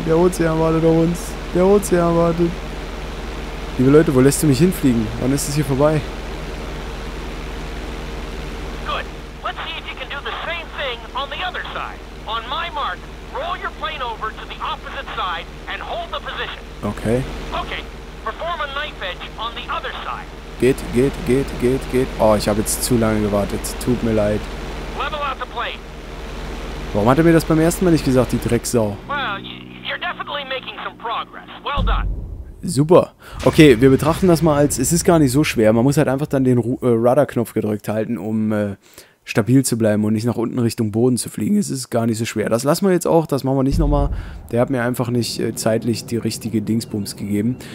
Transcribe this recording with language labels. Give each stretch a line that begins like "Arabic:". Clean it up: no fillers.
German: Der Ozean wartet auf uns. Der Ozean wartet. Liebe Leute, wo lässt du mich hinfliegen? Wann ist es hier vorbei?
English: Good. Let's see if you can do the same thing on the other side. On my mark, roll your plane over to the opposite side and hold the position. Okay. Okay. Perform a knife edge on the other side.
German: Geht. Oh, ich habe jetzt zu lange gewartet. Tut mir leid.
English: Level out the plane.
German: Warum hat er mir das beim ersten Mal nicht gesagt, die Drecksau?
English: Well, you're definitely making some progress. Well done.
German: Super. Okay, wir betrachten das mal als, es ist gar nicht so schwer. Man muss halt einfach dann den Rudder-Knopf gedrückt halten, um stabil zu bleiben und nicht nach unten Richtung Boden zu fliegen. Es ist gar nicht so schwer. Das lassen wir jetzt auch, das machen wir nicht nochmal. Der hat mir einfach nicht zeitlich die richtige Dingsbums gegeben.